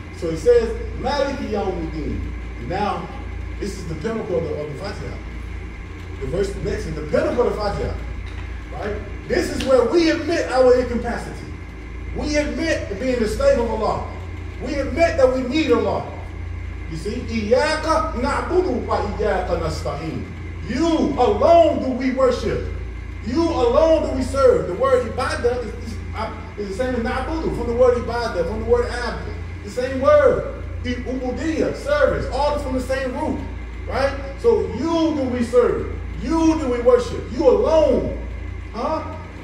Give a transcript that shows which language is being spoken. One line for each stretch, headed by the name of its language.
English: So he says, Maliki Yawmiddin. Now, this is the pinnacle of the Fatiha. The verse next is the pinnacle of the Fatiha, right? This is where we admit our incapacity. We admit being the slave of Allah. We admit that we need Allah. You see,
Arabic: إِيَّاكَ نَعْبُدُ وَإِيَّاكَ نَسْتَعِينَ.
English: You alone do we worship. You alone do we serve. The word ibadah is the same as na'budu, from the word ibadah, from the word abd. The same word. He ubudiyah, service, all from the same root, right? So you do we serve, you do we worship, you alone, huh?